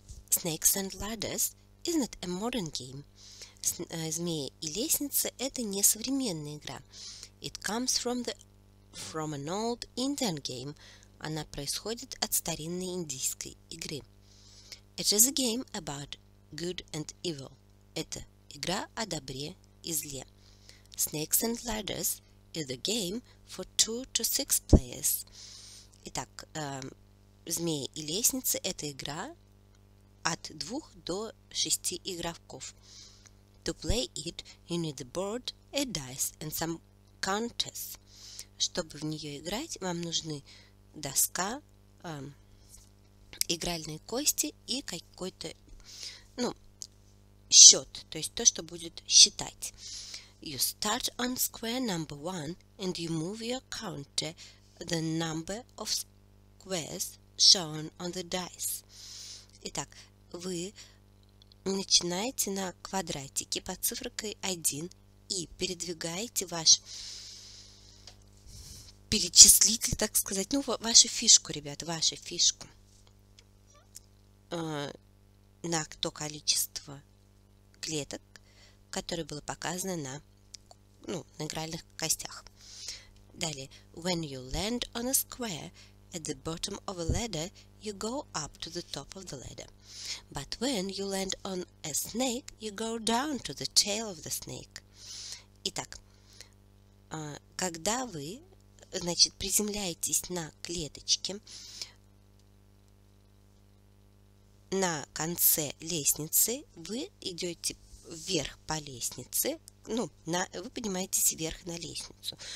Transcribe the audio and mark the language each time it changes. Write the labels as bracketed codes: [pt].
[en] Snakes and ladders is not a modern game. [ru] Змеи и лестницы – это не современная игра. [en] It comes from an old Indian game. [ru] Она происходит от старинной индийской игры. [en] It is a game about good and evil. [ru] Это игра о добре и зле. [en] Snakes and Ladders is a game for 2 to 6 players. [ru] Итак, змеи и лестницы – это игра от 2 до 6 игроков. [en] To play it, you need a board, a dice and some counters. [ru] Чтобы в нее играть, вам нужны доска, игральные кости и какой-то, счет, то есть то, что будет считать. [en] You start on square number one and you move your counter the number of squares shown on the dice. [ru] Итак, вы начинаете на квадратике под цифрой 1 и передвигаете ваш перечислитель, так сказать, вашу фишку, ребята, вашу фишку на то количество клеток, которое было показано на, на игральных костях. Далее. [en] When you land on a square at the bottom of a ladder, you go up to the top of the ladder. But when you land on a snake, you go down to the tail of the snake. [ru] Итак, когда вы, приземляетесь на клеточке, на конце лестницы вы идете вверх по лестнице, вы поднимаетесь вверх на лестницу.